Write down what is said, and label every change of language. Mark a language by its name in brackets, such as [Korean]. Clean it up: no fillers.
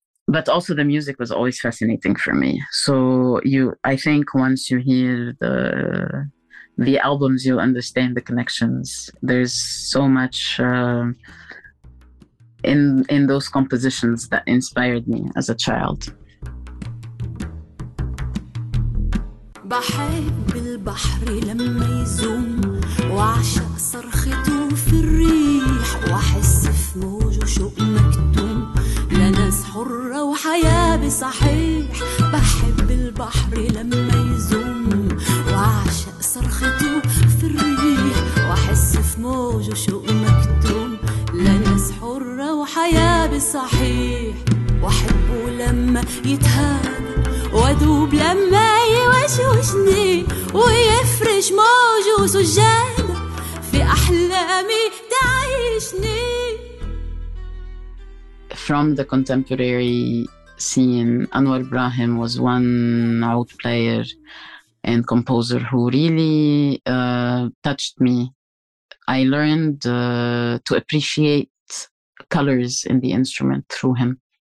[English] But also the music was always fascinating for me. So I think once you hear the albums, you'll understand the connections. There's so much in those compositions that inspired me as a child. [Arabic] بحب البحر لما يزوم وعشق صرخته في الريح وحس في موجه شوق مكتوم لناس حرة وحياة بصحيح بحب البحر لما يزوم وعشق صرخته في الريح وحس في موجه شوق مكتوم لناس حرة وحياة بصحيح وحبه لما يتهان وادوب لما يوشوشني ويفرش موجه سجادة في أحلامي تعيشني. [English] From the contemporary scene, Anwar Ibrahim was one oud player and composer who really touched me. I learned to appreciate colors in the instrument through him.